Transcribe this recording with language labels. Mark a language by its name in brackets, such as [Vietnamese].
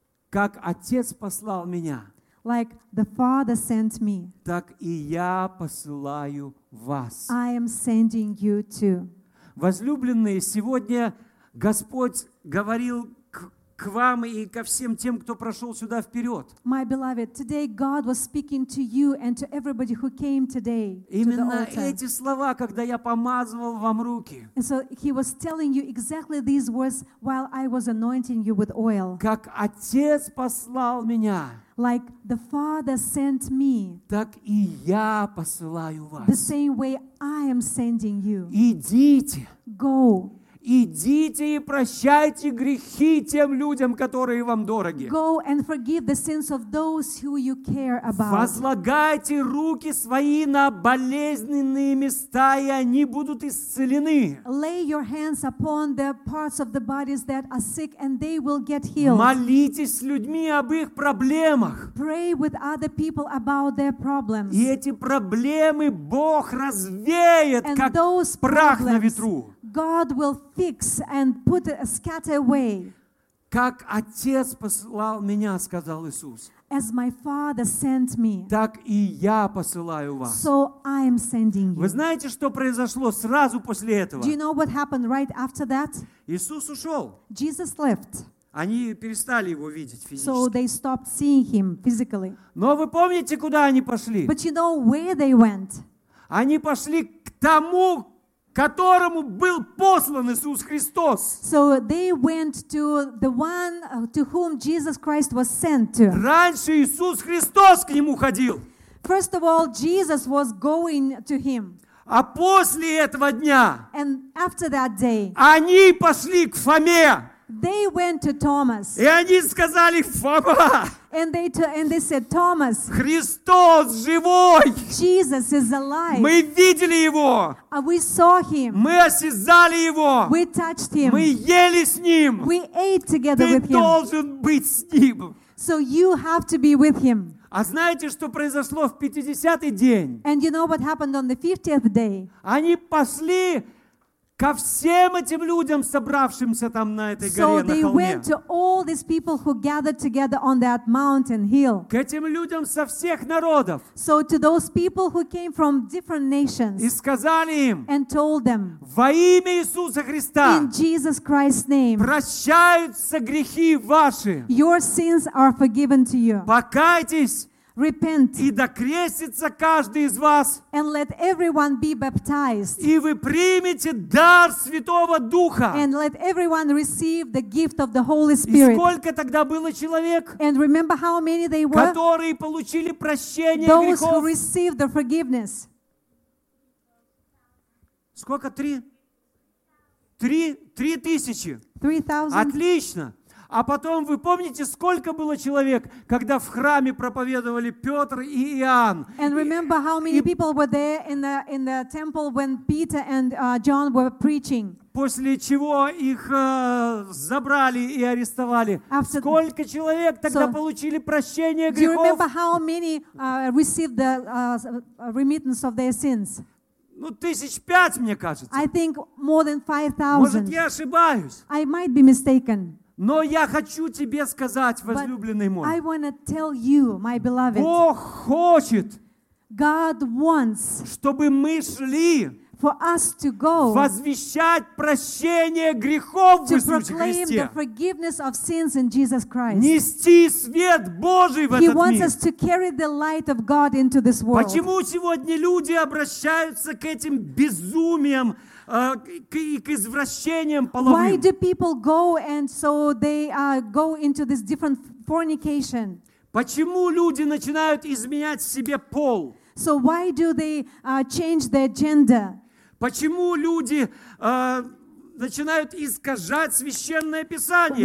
[Russian] Как Отец послал меня, [English] like the Father sent me, [Russian] так и я посылаю вас. [English] I am sending you too. [Russian] Возлюбленные, сегодня Господь говорил к к вам и ко всем тем, кто прошел сюда вперед. [English] My beloved, today God was speaking to you and to everybody who came today. [Russian] Именно эти слова, когда я помазывал вам руки. [English] And so he was telling you exactly these words while I was anointing you with oil. [Russian] Как отец послал меня. [English] Like the Father sent me, [Russian] так и я посылаю вас. [English] The same way I am sending you. [Russian] Идите. [English] Go. [Russian] Идите и прощайте грехи тем людям, которые вам дороги. [English] Go and forgive the sins of those who you care about. [Russian] Возлагайте руки свои на болезненные места, и они будут исцелены. [English] Lay your hands upon the parts of the bodies that are sick, and they will get healed. [Russian] Молитесь с людьми об их проблемах. [English] Pray with other people about their problems. [Russian] И эти проблемы Бог развеет, как прах на ветру. [English] God will fix and put it, scatter away. [Russian] Как отец послал меня, сказал Иисус. [English] As my Father sent me. [Russian] Так и я посылаю вас. [English] So I am sending you. [Russian] Вы знаете, что произошло сразу после этого? [English] Do you know what happened right after that? [Russian] Иисус ушел. [English] Jesus left. [Russian] Они перестали его видеть физически. [English] So they stopped seeing him physically. [Russian] Но вы помните, куда они пошли? [English] But you know where they went? [Russian] Они пошли к тому, которому был послан Иисус Христос. [English] So they went to the one to whom Jesus Christ was sent to. [Russian] Раньше Иисус Христос к нему ходил. [English] First of all, Jesus was going to him. [Russian] А после этого дня [English] and after that day, [Russian] они пошли к Фоме. [English] They went to Thomas. [Russian] И они сказали: Фома! [English] And they said, Thomas, [Russian] Христос живой! [English] Jesus is alive. [Russian] Мы видели Его! [English] We saw him. [Russian] Мы осязали Его! [English] We touched him. [Russian] Мы ели с Ним! [English] We ate together with him. [Russian] Ты должен быть с Ним! [English] So you have to be with him. [Russian] А знаете, что произошло в 50-й день? [English] And you know what happened on the 50th day? [Russian] Они пошли ко всем этим людям, собравшимся там на этой горе, [English] so [Russian] на холме. [English] Went to all these people who gathered together on that mountain hill. [Russian] К этим людям со всех народов. [English] So to those people who came from different nations. [Russian] И сказали им. [English] And told them. [Russian] Во имя Иисуса Христа. [English] In Jesus Christ's name. [Russian] Прощаются грехи ваши. [English] Your sins are forgiven to you. [Russian] Покайтесь. [English] Repent. [Russian] И докрестится каждый из вас. [English] And let everyone be baptized. [Russian] И вы примете дар Святого Духа. [English] And let everyone receive the gift of the Holy Spirit. [Russian] И сколько тогда было человек? [English] And remember how many they were? [Russian] Которые получили прощение [English] those [Russian] грехов. [English] Those who received the forgiveness. [Russian] Сколько? Три? Три? Три тысячи? [English] 3,000. [Russian] Отлично. А потом, вы помните, сколько было человек, когда в храме проповедовали Петр и Иоанн? [English] And remember how many people were there in the temple when Peter and John were preaching? [Russian] После чего их забрали и арестовали. [English] After, [Russian] сколько человек тогда получили прощение грехов? [English] Do you remember how many received the remittance of their sins? [Russian] Ну, 5,000, мне кажется. [English] I think more than 5,000. [Russian] Может, я ошибаюсь? [English] I might be mistaken. [Russian] Но я хочу тебе сказать, возлюбленный мой. [English] I want to tell you, my beloved. [Russian] Бог хочет. [English] God wants. [Russian] Чтобы мы шли. [English] For us to go. [Russian] Возвещать прощение грехов в Иисусе Христе. [English] To proclaim the forgiveness of sins in Jesus Christ. [Russian] Нести свет Божий в этот мир. [English] He wants us to carry the light of God into this world. [Russian] Почему сегодня люди обращаются к этим безумиям? К извращениям половым. [English] Why do people go and so they go into this different fornication? [Russian] Почему люди начинают изменять себе пол? [English] So why do they change their gender? [Russian] Почему люди начинают искажать священное писание?